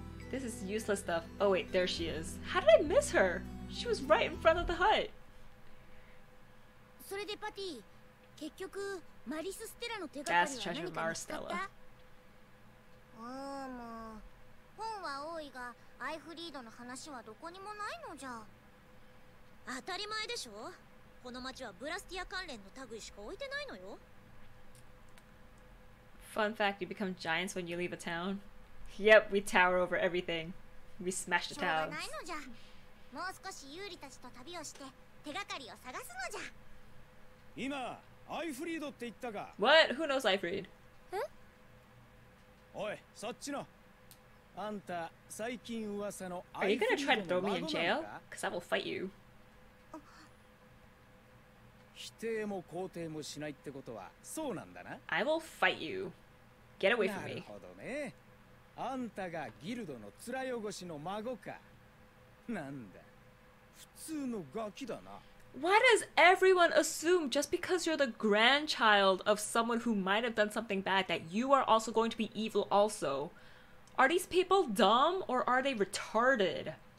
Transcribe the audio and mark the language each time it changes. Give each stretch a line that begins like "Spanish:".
English: This is useless stuff. Oh wait, there she is. How did I miss her? She was right in front of the hut!
Japanese: それでパティ、結局、マリス・ステラの手がかりは何か見つかった?
English: That's treasure Maristella.
Japanese: もう、本は多いが、アイフリードの話はどこにもないのじゃ。当たり前でしょ。この町はブラスティア関連の類しか置いてないのよ。
English: Fun fact, you become giants when you leave a town. Yep, we tower over everything. We smash the towns.
Japanese: しょうがないのじゃ。もう少しユーリたちと旅をして手がかりを探すのじゃ。今、アイフリードって言ったか。
English: What? Who knows アイフリード?
Japanese: おい、そっちの。あんた最近噂のアイフリードの孫なんか?
English: Cause I will fight you.
Japanese: 否定も肯定もしないってことはそうなんだな?
English: I will fight you. Get away from me.
Japanese: なるほどね。あんたがギルドの面汚しの孫か。なんだ。普通のガキだな。
English: Why does everyone assume just because you're the grandchild of someone who might have done something bad that you are also going to be evil also? Are these people dumb or are they retarded?